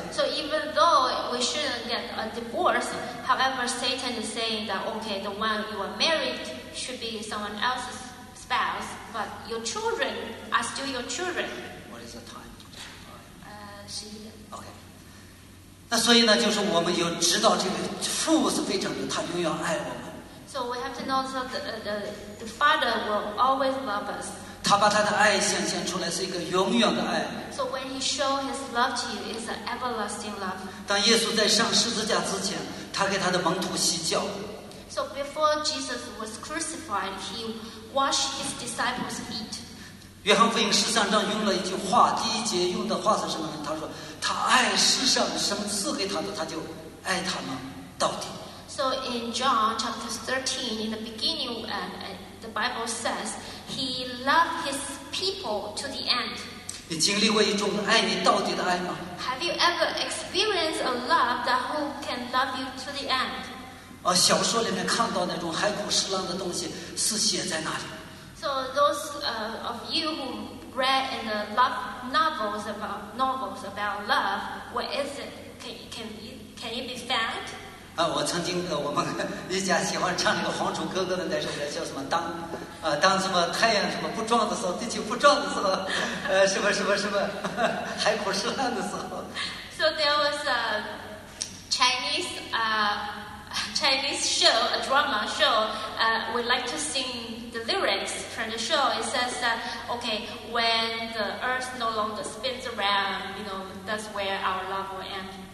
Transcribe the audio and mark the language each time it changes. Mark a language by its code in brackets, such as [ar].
[en] So even though we shouldn't get a divorce, however, Satan is saying that okay, the one you are married should be someone else's spouse, but your children are still your children. What is the time? [zh] 十一点。 [en] Okay. [zh] 那所以呢，就是我们有知道这个父是非常的，他永远爱我们。 [en] So we have to know that the Father will always love us. [zh] 他把他的爱显现出来，是一个永远的爱。 [en] So when he showed his love to you, it's an everlasting love. [zh] 当耶稣在上十字架之前，他给他的门徒洗脚。 [en] So before Jesus was crucified, he washed his disciples' feet. [zh] 约翰福音十三章用了一句话，第一节用的话是什么？他说：“他爱世上什么赐给他的，他就爱他们到底。” [en] So in John chapter 13, in the beginning, the Bible says he loved his people to the end. [zh] 你经历过一种爱你到底的爱吗 [en] ？Have you ever experienced a love that who can love you to the end? [zh] 啊，小说里面看到那种海枯石烂的东西是写在哪里 [en] ？So those of you who read in the love novels about love, where is it? Can it be found? [zh] 啊，我曾经我们一家喜欢唱那个黄楚哥哥的那首歌，叫什么当什么太阳什么不撞的时候，地球不撞的时候，什么什么什么海枯石烂的时候。 [en] So there was a Chinese show, a drama show. We like to sing the lyrics from the show. It says that okay, when the earth no longer spins around, you know, that's where our love will end.